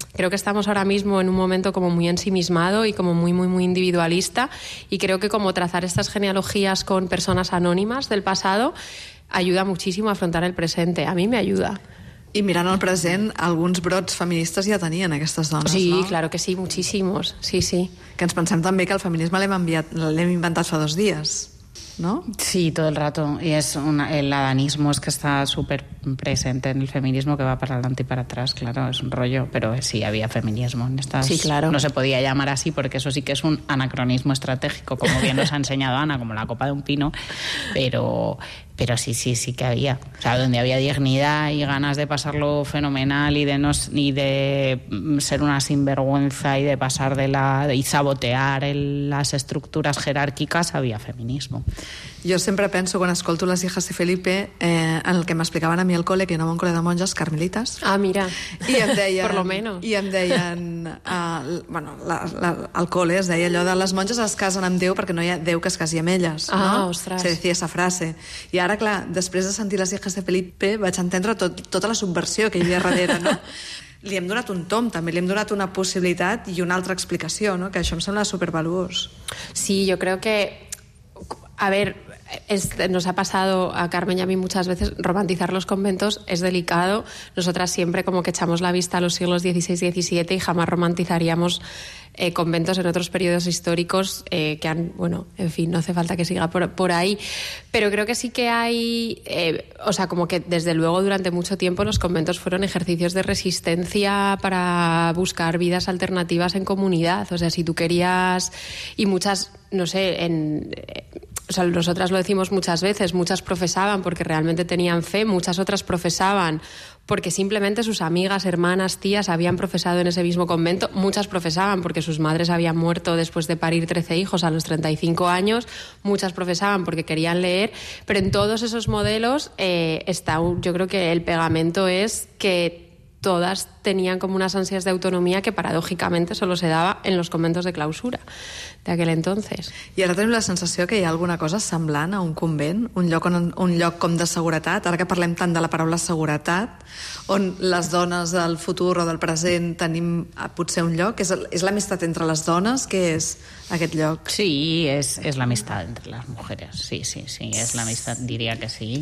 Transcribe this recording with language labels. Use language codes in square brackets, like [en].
[es] Creo que estamos ahora mismo en un momento como muy ensimismado y como muy, muy, muy individualista, y creo que como trazar estas genealogías con personas anónimas del pasado ayuda muchísimo a afrontar el presente. A mí me ayuda. [ca] Y mirant el present, alguns brots feministes ja tenien aquestes dones, sí, no? [es] Sí, claro que sí, muchísimos, sí, sí. [ca] Que ens pensem també que el feminisme l'hem inventat fa 2 dies, ¿no? [es] Sí, todo el rato. Y es una, el adanismo es que está súper presente en el feminismo, que va para adelante y para atrás, claro, es un rollo. Pero sí, había feminismo en estas... Sí, claro. No se podía llamar así porque eso sí que es un anacronismo estratégico, como bien nos ha enseñado Ana, como la copa de un pino. Pero sí, sí, sí que había. O sea, donde había dignidad y ganas de pasarlo fenomenal y de no, y de ser una sinvergüenza y de pasar de la y sabotear las estructuras jerárquicas, había feminismo. [ca] Jo sempre penso, quan escolto les hijas de Felipe, en el que m'explicaven a mi al col·le, que anava a un col·le de monges, carmelites. [es] Ah, mira. [ca] I em deien... [es] Por lo menos. [ca] I em deien... bueno, al col·le es deia allò de les monges es casen amb Déu perquè no hi ha Déu que es casi amb elles. Ah, no? Ostres. [es] Se decía esa frase. [ca] I ara, clar, després de sentir les hijas de Felipe, vaig entendre tota la subversió que hi havia darrere, no? Li hem donat un tomb, també li hem donat una possibilitat i una altra explicació, no? Que això em sembla supervaluós. Sí, jo crec que... [es] A ver, nos ha pasado a Carmen y a mí muchas veces, romantizar los conventos es delicado. Nosotras siempre como que echamos la vista a los siglos XVI y XVII y jamás romantizaríamos conventos en otros periodos históricos que han, bueno, en fin, no hace falta que siga por ahí. Pero creo que sí que hay, o sea, como que desde luego durante mucho tiempo los conventos fueron ejercicios de resistencia para buscar vidas alternativas en comunidad. O sea, si tú querías, y muchas, no sé, en... O sea, nosotras lo decimos muchas veces, muchas profesaban porque realmente tenían fe, muchas otras profesaban porque simplemente sus amigas, hermanas, tías habían profesado en ese mismo convento, muchas profesaban porque sus madres habían muerto después de parir 13 hijos a los 35 años, muchas profesaban porque querían leer, pero en todos esos modelos está, yo creo que el pegamento es que todas tenían como unas ansias de autonomía que paradójicamente solo se daba en los conventos de clausura de aquel entonces. [ca] I ara tenim la sensació que hi ha alguna cosa semblant a un convent, un lloc com de seguretat, ara que parlem tant de la paraula seguretat, on les dones del futur o del present tenim potser un lloc, és l'amistat entre les dones, que és aquest lloc? Sí, és l'amistat entre les mujeres, sí, sí, sí, és l'amistat, diria que sí.